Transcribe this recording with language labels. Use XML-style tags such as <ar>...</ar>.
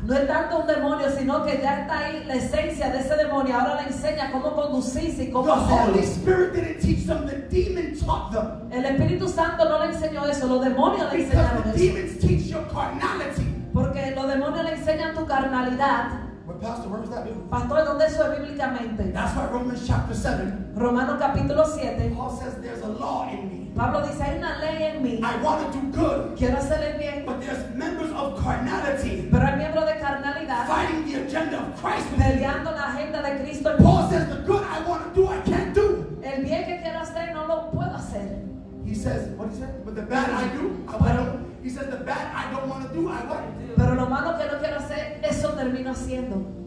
<es>No es tanto un demonio, sino que ya está ahí la esencia de ese demonio. Ahora le enseña cómo conducirse y cómo hacerlo.</es> <en>The Holy Spirit didn't teach them; the demon taught them.</en> <es>El Espíritu Santo no le enseñó eso. Los demonios le enseñaron eso.</es> <en>Because the demons teach your carnality.</en> <es>Porque los demonios le enseñan tu carnalidad.</es> <en>But Pastor, where is that biblical?</en> <es>Pastor, ¿dónde eso es bíblicamente?</es> <en>That's why Romans chapter 7.</en> <es>Romano capítulo 7.</es> <en>Paul says there's a law in me.</en> <es>Pablo dice, hay una ley en mí.</es> <en>I want to do good.</en> <es>Quiero hacer el bien.</es> <en>But there's members of carnality.</en> <es>Pero hay miembros de carnalidad.</es> <en>Fighting the agenda of Christ.</en> <es>Peleando la agenda de Cristo.</es> <en>Paul says the good I want to do I can't do.</en> <es>El bien que quiero hacer no lo puedo hacer.</es> <en>He says, what did he say? But the bad I do, I want to. He says the bad I don't want to do I want to.</en> <es>Pero lo malo que no quiero hacer, eso termino haciendo.</es>